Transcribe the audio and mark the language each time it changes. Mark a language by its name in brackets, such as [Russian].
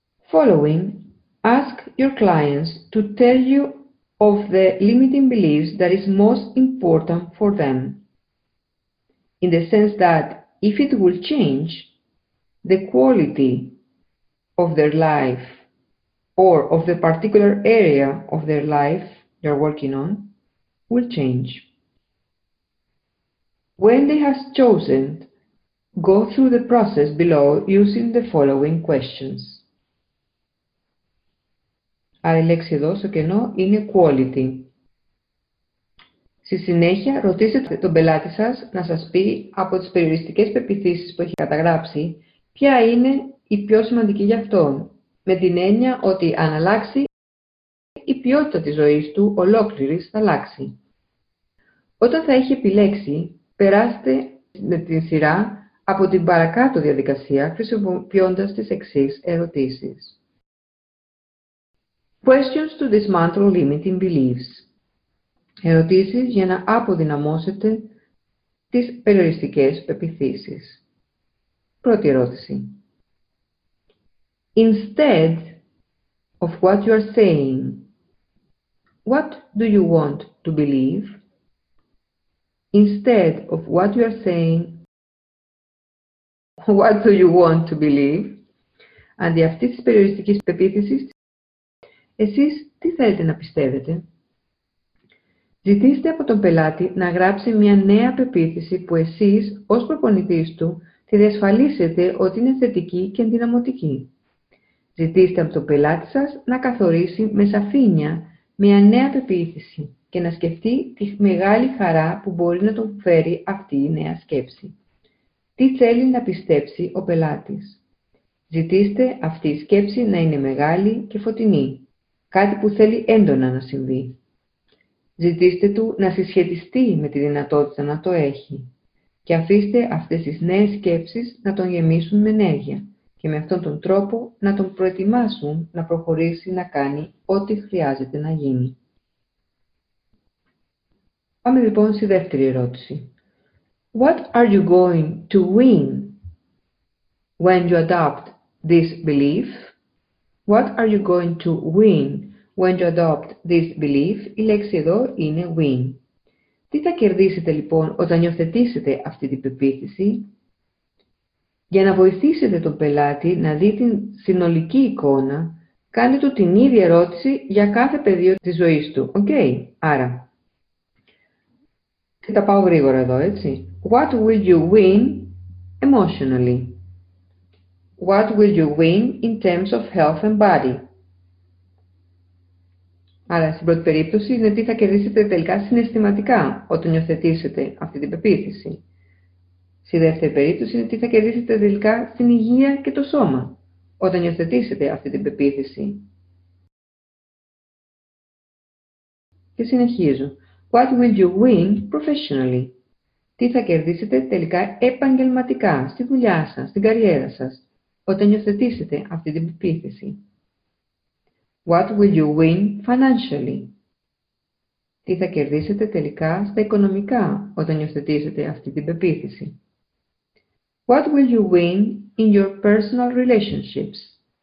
[English] Following, ask your clients to tell you of the limiting beliefs that is most important for them, in the sense that if it will change the quality of their life or of the particular area of their life they're working on, will change. When they have chosen, go through the process below using the following questions. [Greek] Άρα η λέξη εδώ στο κενό είναι quality. Στη συνέχεια, ρωτήστε τον πελάτη σας να σας πει από τις περιοριστικές πεποιθήσεις που έχει καταγράψει ποια είναι η πιο σημαντική για αυτόν, με την έννοια ότι αν αλλάξει, η ποιότητα της ζωής του ολόκληρης θα αλλάξει. Όταν θα έχει επιλέξει, περάστε με τη σειρά από την παρακάτω διαδικασία χρησιμοποιώντας τις εξής ερωτήσεις. [English] Questions to dismantle limiting beliefs. [Greek] Ερωτήσεις για να αποδυναμώσετε τις περιοριστικές πεπιθήσεις. Πρώτη ερώτηση. [English] Instead of what you are saying, what do you want to believe? Instead of what you are saying, what do you want to believe? [Greek] Αντί αυτής της περιοριστικής πεποίθησης, εσείς τι θέλετε να πιστεύετε? Ζητήστε από τον πελάτη να γράψει μια νέα πεποίθηση που εσείς, ως προπονητής του, θα διασφαλίσετε ότι είναι θετική και ενδυναμωτική. Ζητήστε από τον πελάτη σας να καθορίσει με σαφήνεια μια νέα πεποίθηση και να σκεφτεί τη μεγάλη χαρά που μπορεί να του φέρει αυτή η νέα σκέψη. Τι θέλει να πιστέψει ο πελάτης? Ζητήστε αυτή η σκέψη να είναι μεγάλη και φωτεινή, κάτι που θέλει έντονα να συμβεί. Ζητήστε του να συσχετιστεί με τη δυνατότητα να το έχει και αφήστε αυτές τις νέες σκέψεις να τον γεμίσουν με ενέργεια και με αυτόν τον τρόπο να τον προετοιμάσουν να προχωρήσει να κάνει ό,τι χρειάζεται να γίνει. Πάμε λοιπόν στη δεύτερη ερώτηση. [English] What are you going to win when you adopt this belief? What are you going to win when you adopt this belief? [Greek] Η λέξη εδώ είναι win. Τι θα κερδίσετε λοιπόν όταν υιοθετήσετε αυτή την πεποίθηση? Για να βοηθήσετε τον πελάτη να δει την συνολική εικόνα, κάντε του την ίδια ερώτηση για κάθε πεδίο της ζωής του. Οκ, okay. Άρα. Και τα πάω γρήγορα εδώ, έτσι. [English] What will you win emotionally? What will you win in terms of health and body? [Greek] Άρα, στην πρώτη περίπτωση, είναι τι θα κερδίσετε τελικά συναισθηματικά όταν υιοθετήσετε αυτή την πεποίθηση. Στη δεύτερη περίπτωση, είναι τι θα κερδίσετε τελικά στην υγεία και το σώμα όταν υιοθετήσετε αυτή την πεποίθηση. Και συνεχίζω. [English] What will you win professionally? [Greek] Τι θα κερδίσετε τελικά επαγγελματικά, στη δουλειά σας, στην καριέρα σας, όταν υιοθετήσετε αυτή την πεποίθηση? [English] What will you win financially? [Greek] Τι θα κερδίσετε τελικά στα οικονομικά, όταν υιοθετήσετε αυτή την πεποίθηση? [English] What will you win in your personal relationships?